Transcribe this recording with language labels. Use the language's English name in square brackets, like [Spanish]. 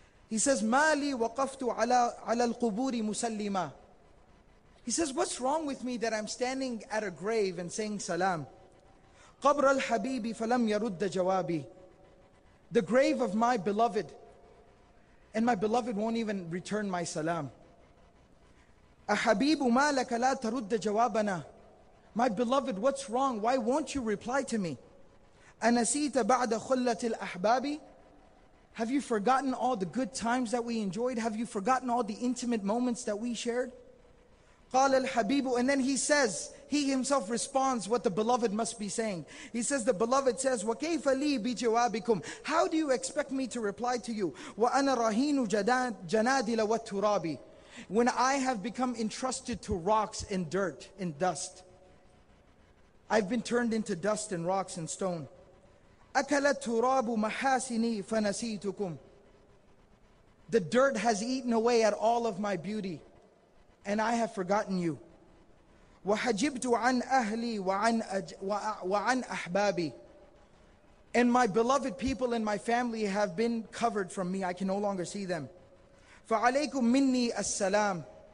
[English] He says, [Arabic] "Mali waqaftu ala al-quburi musallima." [English] He says, "What's wrong with me that I'm standing at a grave and saying salam?" [Arabic] قَبْرَ الْحَبِيبِ فَلَمْ يَرُدَّ جَوَابِي. [English] The grave of my beloved, and my beloved won't even return my salam. [Arabic] أَحَبِيبُ مَا لَكَ لَا تَرُدَّ جَوَابَنَا. [English] My beloved, what's wrong? Why won't you reply to me? [Arabic] أَنَسِيتَ بَعْدَ خُلَّةِ الْأَحْبَابِ. [English] Have you forgotten all the good times that we enjoyed? Have you forgotten all the intimate moments that we shared? [Arabic] قَالَ الْحَبِيبُ. [English] And then he says, he himself responds what the beloved must be saying. He says, the beloved says, [Arabic] وَكَيْفَ لِي بِجَوَابِكُمْ. [English] How do you expect me to reply to you? [Arabic] وَأَنَا رَهِينُ جَنَادِلَ وَالتُّرَابِ. [English] When I have become entrusted to rocks and dirt and dust, I've been turned into dust and rocks and stone. [Arabic] أَكَلَ التُّرَابُ مَحَاسِنِي فَنَسِيتُكُمْ. [English] The dirt has eaten away at all of my beauty, and I have forgotten you. [Arabic] وَحَجِبْتُ عَنْ أَهْلِي وَعَنْ أَحْبَابِي. [English] And my beloved people and my family have been covered from me. I can no longer see them. [Arabic] فَعَلَيْكُمْ مِنِّي السَّلَامِ.